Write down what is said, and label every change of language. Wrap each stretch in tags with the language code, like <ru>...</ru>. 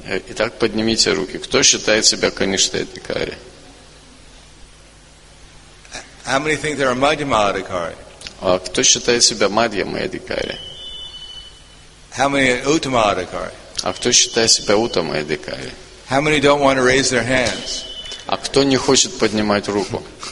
<ru>Итак, поднимите руки. Кто считает себя каништа адхикари?</ru> <en>How many think they're a madhyama adhikari?</en> <ru>А кто считает себя мадхьяма адхикари?</ru> <en>How many are uttama adhikari?</en> <ru>А кто считает себя уттама адхикари?</ru> <en>How many don't want to raise their hands?</en> <ru>А кто не хочет поднимать руку?</ru>